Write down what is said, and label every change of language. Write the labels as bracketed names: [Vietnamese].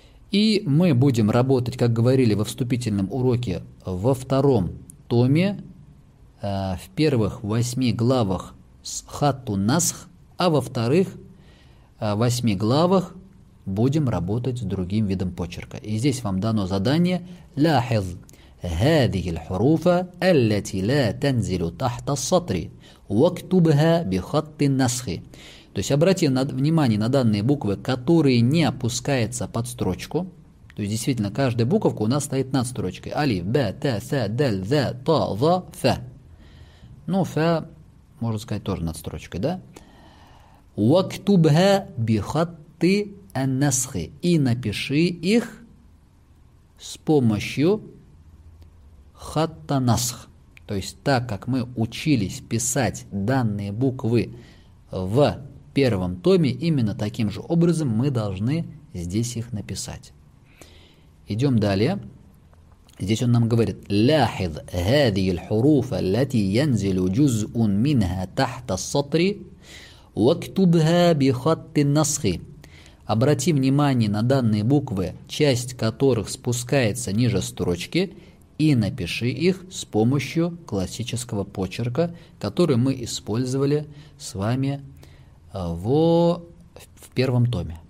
[Russian] И мы будем работать, как говорили во вступительном уроке, во втором томе, в первых 8 главах с хатту насх, а во вторых 8 главах будем работать с другим видом почерка. И здесь вам дано задание [Arabic] «Лахиз, هذه الحروف التي لا تنزل تحت السطر واكتبها بخط النسخ». [Russian] То есть обрати внимание на данные буквы, которые не опускаются под строчку. То есть действительно каждая буковка у нас стоит над строчкой. Алиф, Б, Т, С, Дель, З, Т, З, Ф. Ну, Ф, можно сказать, тоже над строчкой, да? [Arabic] Уактубха бихатты аннасхи. [Russian] И напиши их с помощью хаттанасх. То есть так, как мы учились писать данные буквы в первом томе, именно таким же образом мы должны здесь их написать. Идем далее. Здесь он нам говорит: [Arabic] «Лахиз, هذه الحروف التي ينزل جزء منها تحت السطر واكتبها بخط النسخ». [Russian] Обрати внимание на данные буквы, часть которых спускается ниже строчки, и напиши их с помощью классического почерка, который мы использовали с вами в первом томе.